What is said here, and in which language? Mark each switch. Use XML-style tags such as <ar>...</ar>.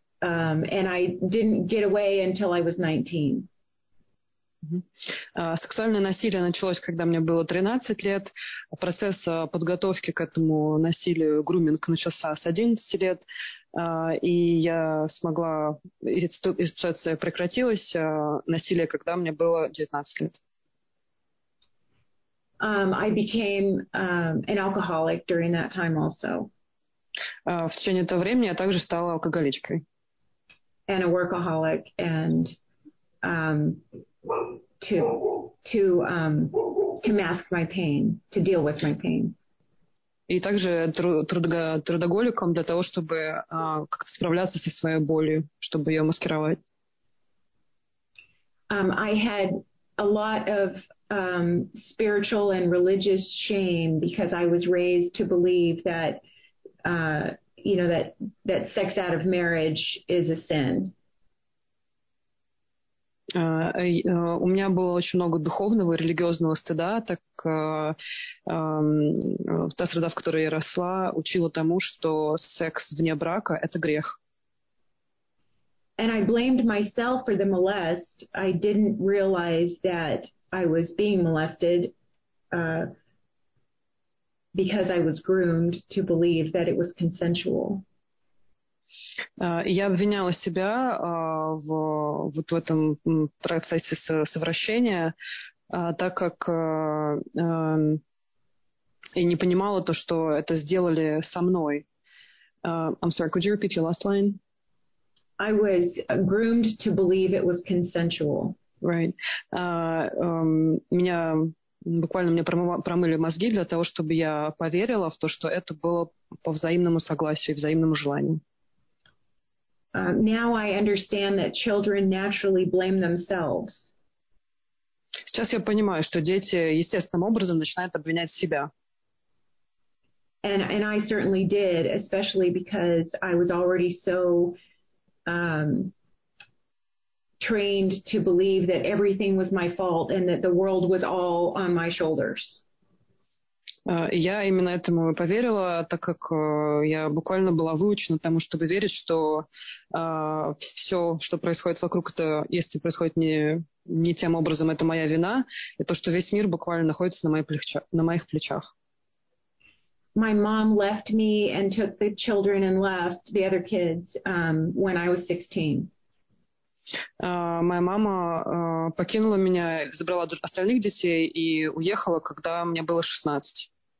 <en>And I didn't get away until I was 19.</en> <ru>Сексуальное насилие началось, когда мне было 13 лет. Процесс подготовки к этому насилию, груминг, начался с 11 лет. И я смогла, и ситуация прекратилась, насилие, когда мне было 19 лет.</ru> <en>I became an alcoholic during that time also.</en> <ru>В течение этого времени я также стала алкоголичкой.</ru> <en>And a workaholic, and to mask my pain, to deal with my pain.</en> <ru>И также трудоголиком для того, чтобы как-то справляться со своей болью, чтобы ее маскировать.</ru> <en>I had a lot of spiritual and religious shame because I was raised to believe that you know, that sex out of marriage is a sin.</en> <ru>У меня было очень много духовного и религиозного стыда, так та среда, в которой я росла, учила тому, что секс вне брака — это грех.</ru> <en>And I blamed myself for the molest. I didn't realize that I was being molested because I was groomed to believe that it was consensual.</en> <ru>Я обвиняла себя в этом процессе совращения, так как я не понимала то, что это сделали со мной.</ru> <en>I'm sorry, could you repeat your last line? I was groomed to believe it was consensual. Right.</en> <ru>Мне промыли мозги для того, чтобы я поверила в то, что это было по взаимному согласию и взаимному желанию.</ru> <en>Now I understand that children naturally blame themselves.</en> <ru>Сейчас я понимаю, что дети естественным образом начинают обвинять себя.</ru> <en>And I certainly did, especially because I was already so trained to believe that everything was my fault and that the world was all on my shoulders.</en> <ru>Я именно этому поверила, так как я буквально была выучена тому, чтобы верить, что все, что происходит вокруг, это, если происходит не тем образом, это моя вина, и то, что весь мир буквально находится на моих плечах.</ru> <en>My mom left me and took the children and left the other kids when I was 16.</en> <ru>Моя мама покинула меня, забрала остальных детей и уехала, когда мне было 16.</ru>